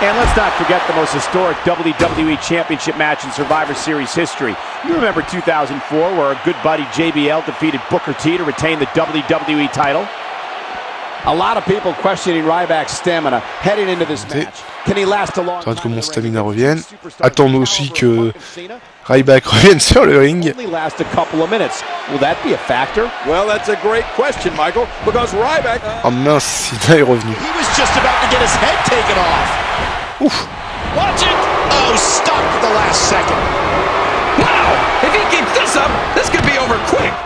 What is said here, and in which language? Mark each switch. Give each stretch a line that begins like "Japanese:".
English: And let's not forget the most historic WWE championship match in Survivor Series history. You remember 2004, where our good buddy JBL defeated Booker T to retain the WWE title. A lot of people questioning Ryback's stamina heading into this match. Can he last a long time?
French: Attends que mon stamina revienne. Attends aussi que Ryback revienne sur le ring.
English: Last a couple of minutes. Will that be a factor? Well, that's a great question, Michael, because Ryback.
French: Oh mince, il est revenu.
English: He was just about to get his head taken off. Ouf. Watch it. Oh, stopped at the last second. Wow! If he keeps this up, this could be over quick.